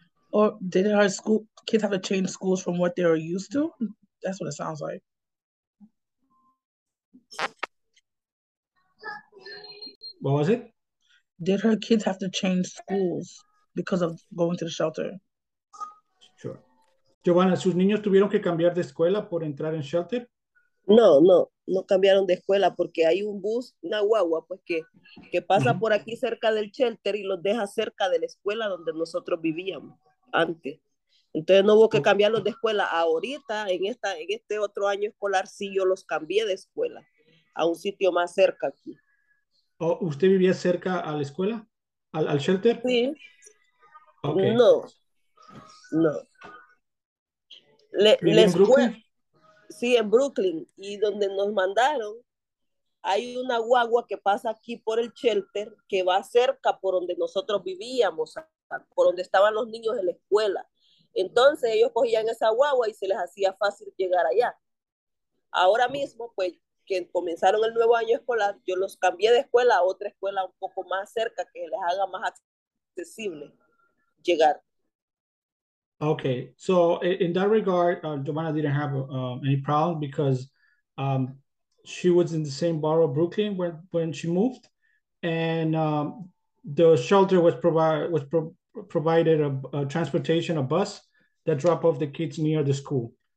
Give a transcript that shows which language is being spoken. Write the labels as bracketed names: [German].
[English] Or did her school kids have to change schools from what they were used to? That's what it sounds like. What was it? Did her kids have to change schools because of going to the shelter? Sure. [Spanish] Giovanna, ¿sus niños tuvieron que cambiar de escuela por entrar en shelter? No, no, no cambiaron de escuela porque hay un bus, una guagua, pues que pasa uh-huh. por aquí cerca del shelter y los deja cerca de la escuela donde nosotros vivíamos antes. Entonces no hubo que cambiarlos de escuela. Ahorita, en este otro año escolar, sí yo los cambié de escuela a un sitio más cerca aquí. ¿Usted vivía cerca a la escuela? ¿Al shelter? Sí. Okay. No. No. ¿La en escuela? Brooklyn? Sí, en Brooklyn. Y donde nos mandaron, hay una guagua que pasa aquí por el shelter que va cerca por donde nosotros vivíamos, por donde estaban los niños de la escuela. Entonces ellos cogían esa guagua y se les hacía fácil llegar allá. Ahora mismo, pues, que comenzaron el nuevo año escolar, yo los cambié de escuela a otra escuela un poco más cerca que les haga más accesible llegar. [English] Okay, so in that regard, Giovanna didn't have any problem because she was in the same borough, Brooklyn, when she moved, and the shelter was provided a transportation, a bus that dropped off the kids near the school.